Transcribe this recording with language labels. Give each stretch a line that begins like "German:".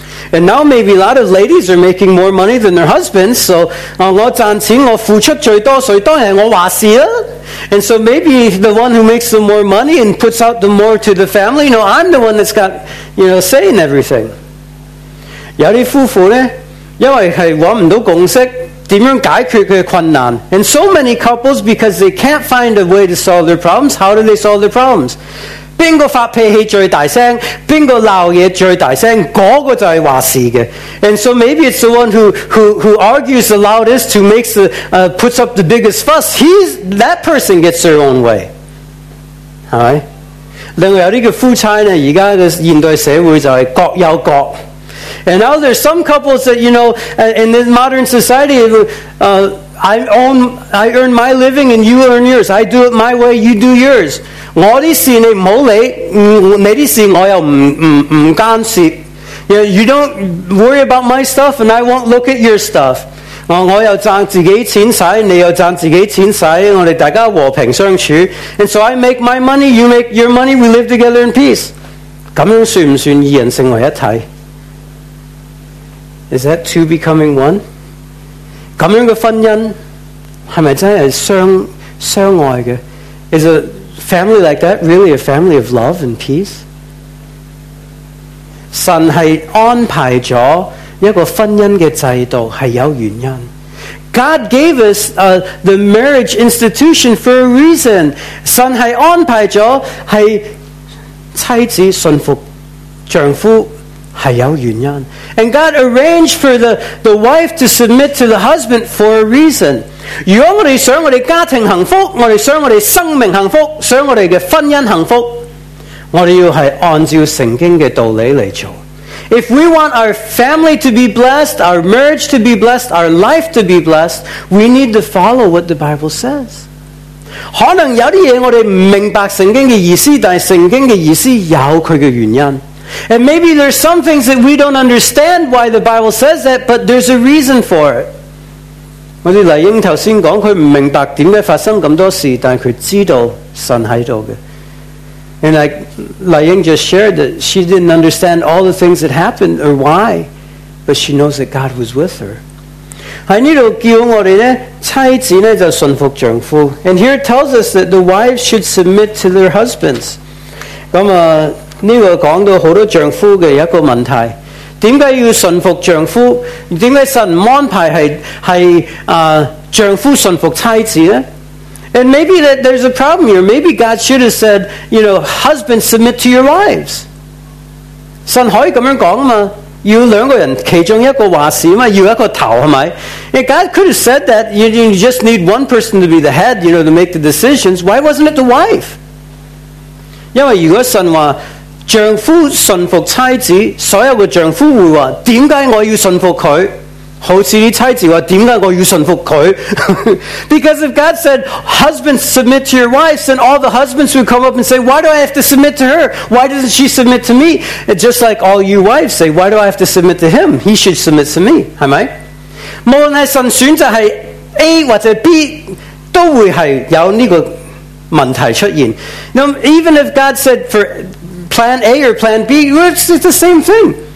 English: And now maybe a lot of ladies are making more money than their husbands.
Chinese: So, 我赚钱我付出最多，所以当然我话事啦。
English: And so maybe the one who makes the more money and puts out the more to the family, you know, I'm the one that's got, you know, say in everything.
Chinese: 有些夫妇呢因为是找不到共识怎样解决的困难。
English: And so many couples, because they can't find a way to solve their problems, how do they solve their problems?
Chinese: 谁个发脾气最大声，谁个闹嘢最大声，那个就是话事的。
English: And so maybe it's the one who argues the loudest, who makes the, puts up the biggest fuss, that person gets their own way. Alright?
Chinese: 另外有些夫妻呢现在的现代社会就是各有各。
English: And now there's some couples that, you know, in this modern society, I earn my living and you earn yours. I do it my way, you do yours.
Chinese: 我的事你唔好理，你的事我又唔干涉。
English: You know, you don't worry about my stuff and I won't look at your stuff.
Chinese: 我又赚自己钱使，你又赚自己钱使，我哋大家和平相处。
English: And so I make my money, you make your money, we live together in peace.
Chinese: 咁样算唔算二人成为一体？
English: Is that two becoming one?
Chinese: 咁样嘅婚姻系咪真系相爱嘅？
English: Is a family like that really a family of love and peace?
Chinese: 神系安排咗一个婚姻嘅制度系有原因。
English: God gave us the marriage institution for a reason.
Chinese: 神系安排咗系妻子顺服丈夫。是有原因。
English: And God arranged for the wife to submit to the husband for a reason.
Chinese: 如果我们想我们家庭幸福，我们想我们生命幸福，想我们的婚姻幸福，我们要是按照圣经的道理来做。
English: If we want our family to be blessed, our marriage to be blessed, our life to be blessed, we need to follow what the Bible says.
Chinese: 可能有些东西我们不明白圣经的意思，但是圣经的意思有它的原因。
English: And maybe there's some things that we don't understand why the Bible says that, but there's a reason for it.
Chinese: 我哋黎英头先讲，佢唔明白点解发生咁多事，但佢知道神喺度嘅。
English: And like Lai Ying just shared that she didn't understand all the things that happened or why, but she knows that God was with her.
Chinese: 喺呢度叫我哋咧，妻子咧就顺服丈夫。
English: And here it tells us that the wives should submit to their husbands.
Chinese: 咁啊。这个讲到很多丈夫的一个问题，點解要順服丈夫？點解神唔安排係丈夫順服妻子呢？
English: And maybe that there's a problem here. Maybe God should have said, you know, husbands submit to your wives.
Chinese: 神可以咁樣講嘛？要兩個人其中一個話事嘛？要一個頭係咪？
English: And God could have said that you just need one person to be the head, you know, to make the decisions. Why wasn't it the wife?
Chinese: 因為如果神話丈夫顺服妻子，所有的丈夫会说，为什么我要顺服他？好像妻子说，为什么我要顺服他？
English: Because if God said, husbands submit to your wives, then all the husbands would come up and say, why do I have to submit to her? Why doesn't she submit to me? And just like all you wives say, why do I have to submit to him? He should submit to me,
Chinese: 是吗？无论是神选择是 A 或者 B, 都会是有这个问题出现。
English: Now, even if God said for... Plan A or Plan B, it's the same thing.